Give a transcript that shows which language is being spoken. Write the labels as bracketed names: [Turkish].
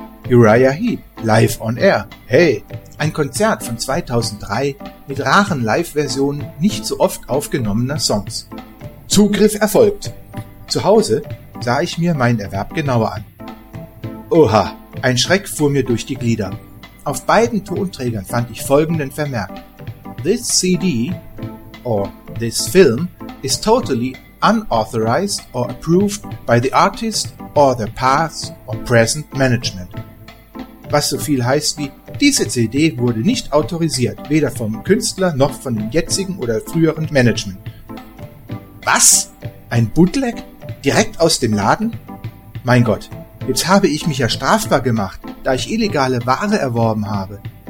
[German] Uriah Heep, live on air, hey! Ein Konzert von 2003 mit raren Live-Versionen nicht so oft aufgenommener Songs. Zugriff erfolgt. Zu Hause sah ich mir meinen Erwerb genauer an. Oha, ein Schreck fuhr mir durch die Glieder. Auf beiden Tonträgern fand ich folgenden Vermerk. [English] This CD or this film is totally unauthorized or approved by the artist or the past or present management. [German] Was so viel heißt wie, diese CD wurde nicht autorisiert, weder vom Künstler noch von dem jetzigen oder früheren Management. Was? Ein Bootleg? Direkt aus dem Laden? Mein Gott, jetzt habe ich mich ja strafbar gemacht, da ich illegale Ware erworben habe.